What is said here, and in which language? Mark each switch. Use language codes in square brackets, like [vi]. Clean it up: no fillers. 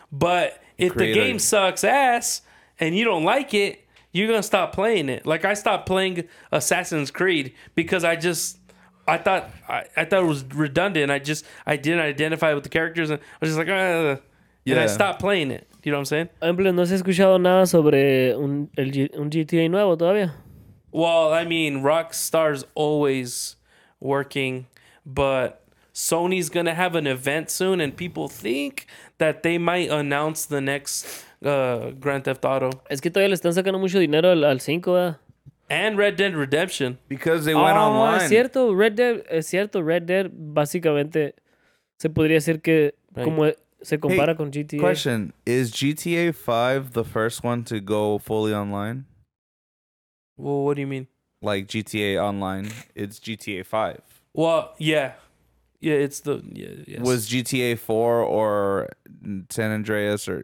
[en] But if the game sucks ass and you don't like it, you're going to stop playing it. Like, I stopped playing Assassin's Creed because I thought it was redundant. I didn't identify with the characters. And I was just like, And I stopped playing it. You know what I'm saying? [es] No se ha escuchado nada sobre un GTA nuevo todavía. [en] Well, I mean, Rockstar's always working, but Sony's going to have an event soon, and people think that they might announce the next Grand Theft Auto. [es] Es que todavía le están sacando mucho dinero al 5, ¿verdad? [en] And Red Dead Redemption. Because they went online. [es] Es cierto, Red Dead básicamente se podría decir que como se compara con GTA. [en] Question, is GTA 5 the first one to go fully online? Well, what do you mean? Like GTA Online, it's GTA 5. Well, yeah. Yeah, it's the... Yeah, yes. Was GTA 4 or San Andreas or...